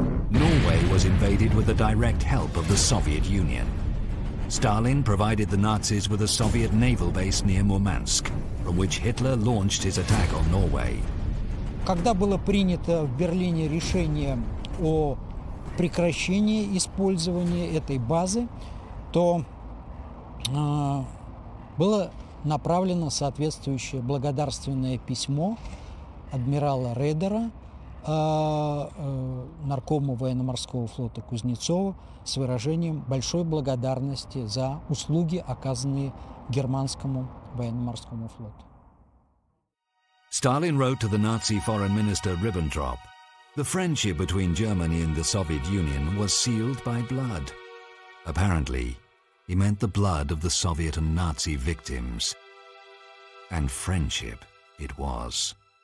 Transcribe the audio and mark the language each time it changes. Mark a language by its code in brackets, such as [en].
[en] Norway was invaded with the direct help of the Soviet Union. Stalin provided the Nazis with a Soviet naval base near Murmansk, from which Hitler launched his attack on Norway. [ru] Когда было принято в Берлине решение о прекращении использования этой базы, то было направлено соответствующее благодарственное письмо адмирала Редера наркому военно-морского флота Кузнецову с выражением большой благодарности за услуги, оказанные германскому военно-морскому флоту. [en] Stalin wrote to the Nazi foreign minister Ribbentrop, the friendship between Germany and the Soviet Union was sealed by blood. Apparently, he meant the blood of the Soviet and Nazi victims. And friendship it was.